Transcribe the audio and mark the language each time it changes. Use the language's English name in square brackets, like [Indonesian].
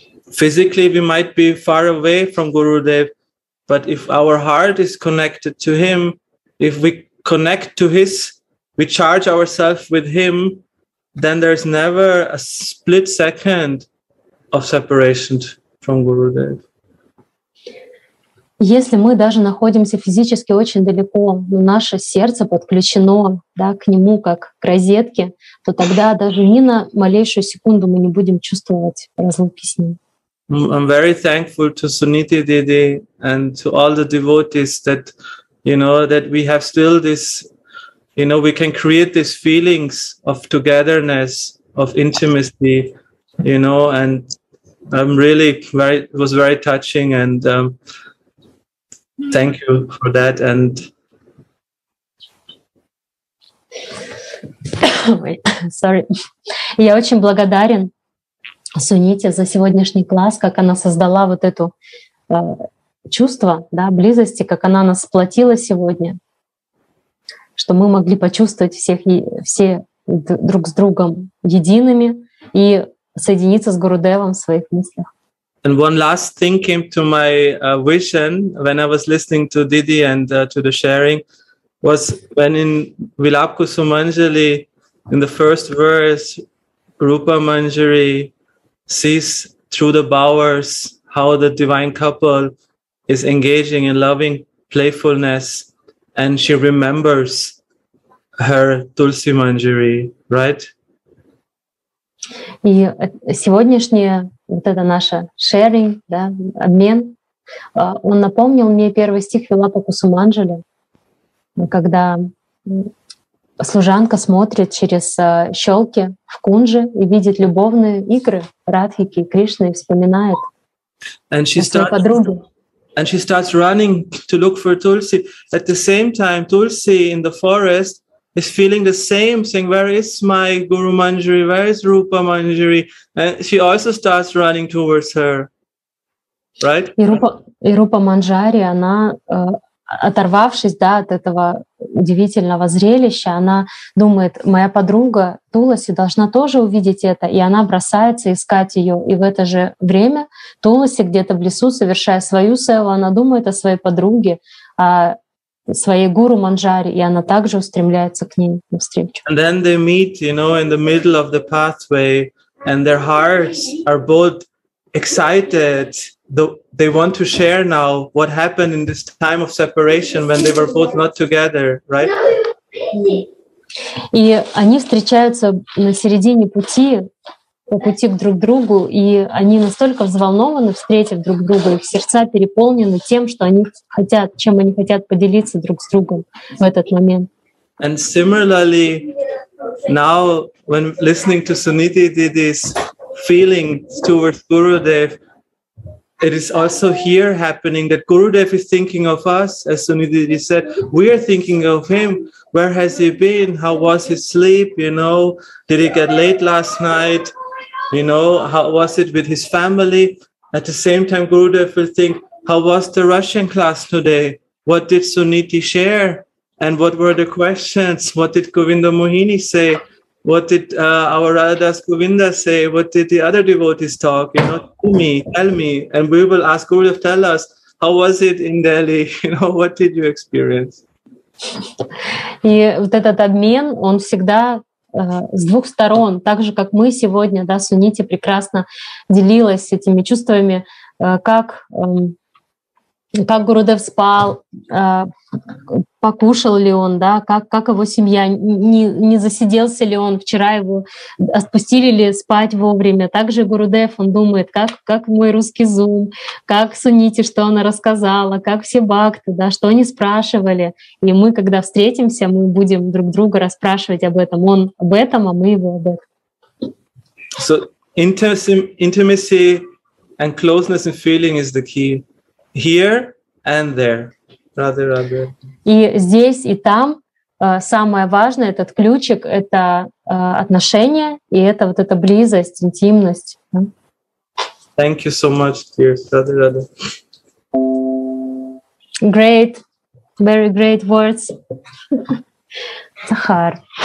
[English] Physically we might be far away from Gurudev, but if our heart is connected to him, if we connect to his, we charge ourselves with him, then there's never a split second of separation from Gurudev. [Russian] Если мы даже находимся физически очень далеко, но наше сердце подключено, да, к нему, как к розетке, то тогда даже ни на малейшую секунду мы не будем чувствовать разлуки с ним. [English] I'm very thankful to Suniti Didi and to all the devotees that, you know, that we have still this, you know, we can create these feelings of togetherness, of intimacy, you know, and I'm really very, it was very touching and Thank you for that. And sorry. [Russian] Я очень благодарен Суните за сегодняшний класс, как она создала вот это чувство, да, близости, как она нас сплотила сегодня, что мы могли почувствовать всех и все друг с другом едиными и соединиться с Гурудевом в своих мыслях. [English] And one last thing came to my vision when I was listening to Didi and to the sharing was when in Vilapkusumanjali in the first verse Rupa Manjari sees through the bowers how the divine couple is engaging in loving playfulness, and she remembers her Tulsi Manjari, right? [Russian] И сегодняшняя вот эта наша sharing, да, обмен, он напомнил мне первый стих Вилапа Кусуманджали, когда служанка смотрит через щелки в кунже и видит любовные игры Радхики и Кришны и вспоминает своей подруге. [English] And she starts running to look for Tulsi. At the same time, Tulsi in the forest is feeling the same thing. Where is my Guru Manjari? Where is Rupa Manjari? And she also starts running towards her. Right? [Russian] И Рупа Манджари, она, оторвавшись, да, от этого удивительного зрелища, она думает, моя подруга Туласи должна тоже увидеть это, и она бросается искать ее. И в это же время Туласи где-то в лесу, совершая свою севу, она думает о своей подруге, о своей гуру Манджари, и она также устремляется к ней навстречу. [English] And then they meet, you know, in the middle of the pathway, and their hearts are both excited. They want to share now what happened in this time of separation when they were both not together, right? [Russian] И они встречаются на середине пути, по пути друг к другу, и они настолько взволнованы, встретив друг друга, их сердца переполнены тем, что они хотят, чем они хотят поделиться друг с другом в этот момент. [English] And similarly, now when listening to Suniti Didi's feeling towards Gurudev, it is also here happening that Gurudev is thinking of us, as Sunidhi said, we are thinking of him. Where has he been? How was his sleep? You know, did he get late last night? You know, how was it with his family? At the same time, Gurudev will think, how was the Russian class today? What did Sunidhi share? And what were the questions? What did Govinda Mohini say? What did our Radhadas Govinda say? What did the other devotees talk? You know, tell me. And we will ask Gurudev, tell us, how was it in Delhi? You know, what did you experience? [Russian] И вот этот обмен, он всегда с двух сторон. Так же, как мы сегодня, да, Сунити прекрасно делилась этими чувствами, как Гурудев спал, покушал ли он, да, как его семья, не засиделся ли он вчера, его отпустили ли спать вовремя. Также Гурудев, он думает, как мой русский зум, как Сунити, что она рассказала, как все бхакты, да, что они спрашивали. И мы, когда встретимся, мы будем друг друга расспрашивать об этом. Он об этом, а мы его об этом. [English] So intimacy and closeness and feeling is the key. Here and there. [Russian] И здесь, и там самое важное, этот ключик, это отношения, и это вот эта близость, интимность. [English] Thank you so much, dear Radhe Radhe. Great, very great words. Сахар.